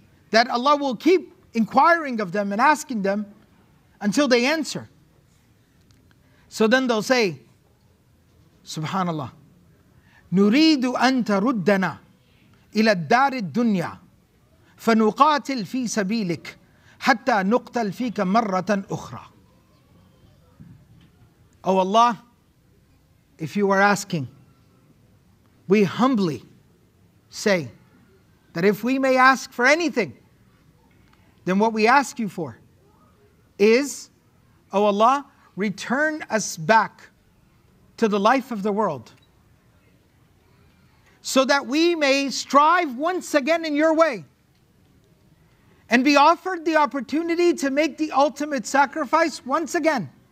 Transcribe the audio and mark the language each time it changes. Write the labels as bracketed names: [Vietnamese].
[English] That Allah will keep inquiring of them and asking them until they answer. So then they'll say, [Arabic] Subhanallah, نُرِيدُ أَن تَرُدَّنَا إِلَى الدَّارِ الدُّنْيَا فَنُقَاتِلْ فِي سَبِيلِكَ حَتَّى نُقْتَلْ فِيكَ مَرَّةً أُخْرَى. [English] Oh Allah, if you are asking, we humbly say that if we may ask for anything, then what we ask you for is, oh Allah, return us back to the life of the world so that we may strive once again in your way and be offered the opportunity to make the ultimate sacrifice once again.